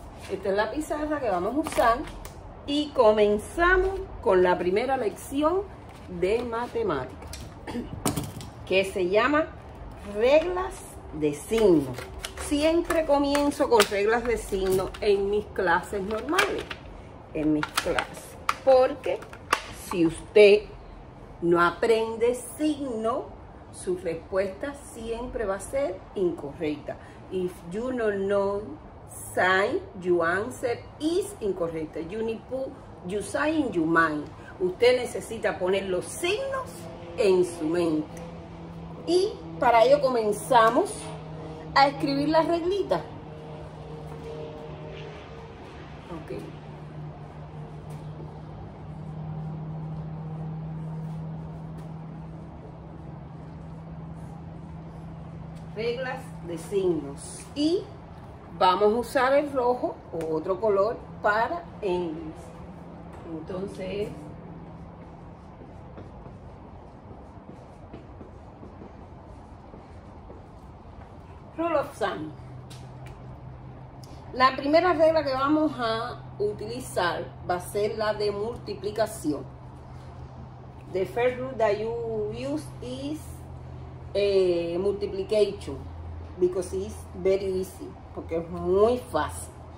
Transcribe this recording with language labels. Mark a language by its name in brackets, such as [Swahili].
[Spanish] Esta es la pizarra que vamos a usar y comenzamos con la primera lección de matemática, que se llama reglas de signo. Siempre comienzo con reglas de signo en mis clases normales, en mis clases, porque si usted no aprende signo, su respuesta siempre va a ser incorrecta. [English] If you don't know sign, your answer is incorrect. You need to put your sign in your mind. [Spanish] Usted necesita poner los signos en su mente. Y para ello comenzamos a escribir las reglitas. Okay. Reglas de signos y vamos a usar el rojo o otro color para inglés. [English] Entonces, rule of thumb. [Spanish] La primera regla que vamos a utilizar va a ser la de multiplicación. [English] The first rule that you use is multiplication, because it's very easy, [Spanish] porque es muy fácil.